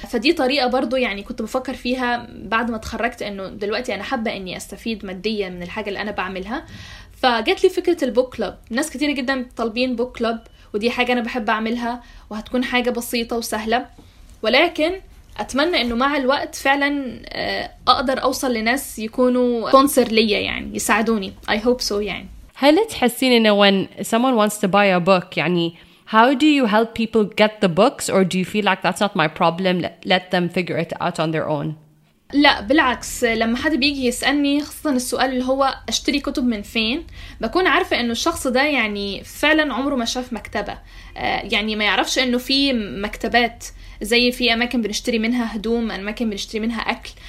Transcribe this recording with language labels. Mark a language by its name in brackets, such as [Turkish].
[Arabic] فدي طريقة برضو يعني كنت بفكر فيها بعد ما تخرجت، أنه دلوقتي أنا حابة أني أستفيد ماديا من الحاجة اللي أنا بعملها. فجت لي فكرة البوك كلوب، ناس كتير جدا طالبين بوك كلوب، ودي حاجة أنا بحب أعملها وهتكون حاجة بسيطة وسهلة، ولكن أتمنى أنه مع الوقت فعلا أقدر أوصل لناس يكونوا سبونسر ليا، يعني يساعدوني. [English] I hope so. [Arabic] يعني هل تحسين أنه [English] when someone wants to buy a book، [Arabic] يعني [English] how do you help people get the books, or do you feel like that's not my problem, let them figure it out on their own? [Arabic] لا بالعكس، لما حد بيجي يسألني خاصة السؤال اللي هو أشتري كتب من فين، بكون عارفة إنه الشخص ده يعني فعلا عمره ما شاف مكتبة، يعني ما يعرفش إنه في مكتبات زي في أماكن بنشتري منها هدوم، أماكن بنشتري منها أكل.